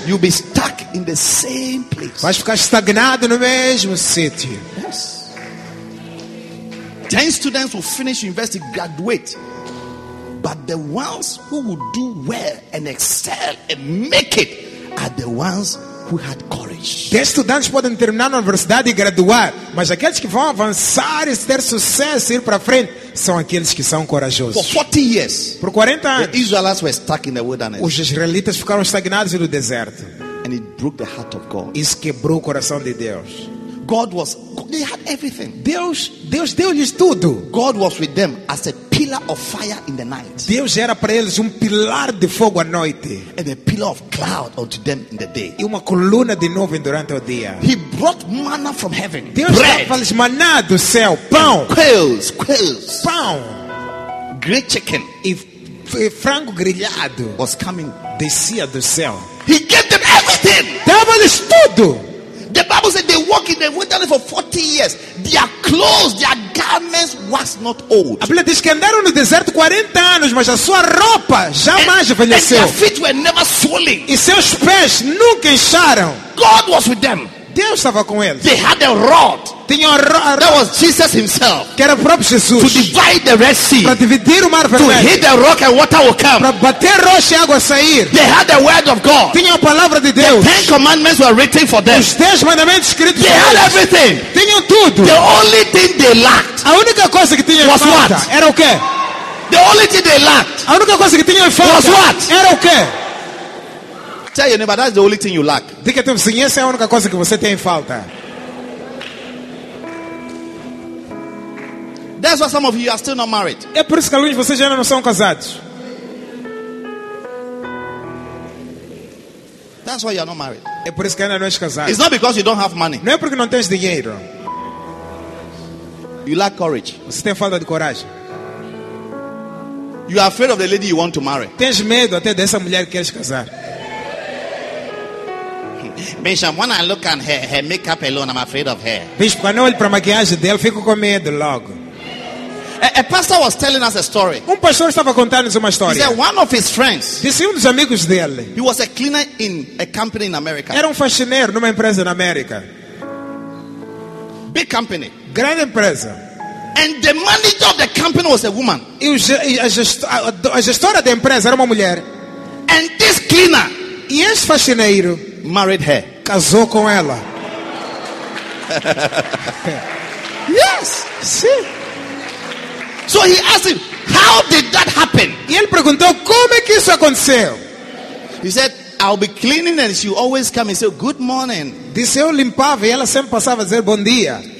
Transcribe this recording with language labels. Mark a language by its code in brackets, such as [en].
[en] you'll be stuck in the same place. [pt] Vais ficar estagnado no mesmo sítio. [en] Yes. 10 students will finish university, graduate. But the ones who would do well and excel and make it are the ones who had courage. [pt] 10 estudantes podem terminar na universidade e graduar, mas aqueles que vão avançar e ter sucesso e ir para frente são aqueles que são corajosos. [en] For 40 years, [pt] por 40 anos, [en] the Israelites were stuck in the wilderness. [pt] Os israelitas ficaram estagnados no deserto. [en] And it broke the heart of God. [pt] Isso quebrou o coração de Deus. [en] God was, they had everything. [pt] Deus deu-lhes tudo. [en] God was with them as a pillar of fire in the night. [pt] Deus era para eles pilar de fogo à noite. [en] And a pillar of cloud unto them in the day. [pt] E uma coluna de nuvem durante o dia. [en] He brought manna from heaven. [pt] Deus dava-lhes maná do céu, pão. [en] Quails. [pt] Pão. [en] Great chicken. [pt] E frango grelhado [en] was coming, [pt] descia do céu. [en] He gave them everything. [pt] Dava-lhes tudo. [en] The Bible said they walk in the wilderness for 40 years. Their clothes, their garments was not old. [pt] A Bíblia diz que andaram no deserto 40 anos, mas a sua roupa jamais envelheceu. [en] And their feet were never swollen. [pt] E seus pés nunca incharam. [en] God was with them. [pt] Deus estava com eles. [en] They had a rod. [pt] Tinha um rod. [en] That was Jesus himself. [pt] Que era o próprio Jesus. [en] To divide the Red Sea. [pt] Para dividir o mar vermelho. [en] To hit the rock and water will come. [pt] Para bater rocha e água sair. [en] They had the word of God. [pt] Tinha a palavra de Deus. [en] The Ten Commandments were written for them. [pt] Os 10 mandamentos escritos. [en] They had everything. [pt] Tinham tudo. [en] The only thing they lacked. [pt] A única coisa que tinham [en] was [pt] falta. [en] What? [pt] Era o quê? [en] The only thing they lacked. [pt] A única coisa que tinham falta. [en] Was what? [pt] Era o quê? [en] Tell your neighbor, that's the only thing you lack. [pt] Diga teu vizinho, essa é a única coisa que você tem falta. [en] That's why some of you are still not married. [pt] É por isso que alguns de vocês ainda não são casados. [en] That's why you are not married. [pt] É por isso que ainda não és casado. [en] It's not because you don't have money. [pt] Não é porque não tens dinheiro. [en] You lack courage. [pt] Você tem falta de coragem. [en] You are afraid of the lady you want to marry. [pt] Tens medo até dessa mulher que queres casar. [en] Bishop, when I look at her makeup alone, I'm afraid of her. [pt] Bishop, quando eu olho para a maquiagem dela, fico com medo logo. [en] A pastor was telling us a story. [pt] Um pastor estava contando-nos uma história. [en] He said one of his friends. [pt] Disse um dos amigos dele. [en] He was a cleaner in a company in America. [pt] Era faxineiro numa empresa na América. [en] Big company. [pt] Grande empresa. [en] And the manager of the company was a woman. [pt] E a gestora da empresa era uma mulher. [en] And this cleaner. [pt] E esse faxineiro. [en] Married her. [pt] Casou com ela. [en] Yes. [pt] Sim. [en] So he asked him, how did that happen? [pt] E ele perguntou, como é que isso aconteceu? [en] He said, I'll be cleaning and she always come and say, good morning. [pt] Disse, eu limpava e ela sempre passava a dizer, bom dia.